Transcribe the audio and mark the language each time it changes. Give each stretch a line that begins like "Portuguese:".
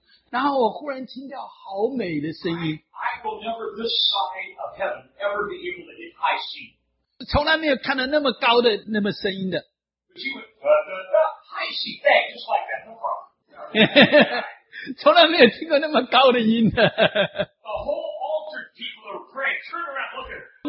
Chinese: 然后我忽然听到好美的声音。
English: I will never this side of heaven ever be able to hit high C.
Chinese: 从来没有看到那么高的那么声音的。
English: But you went high C bang just like that, no problem.
Chinese: 从来没有听过那么高的音的。
English: The whole altar people are praying, turn around, look at her.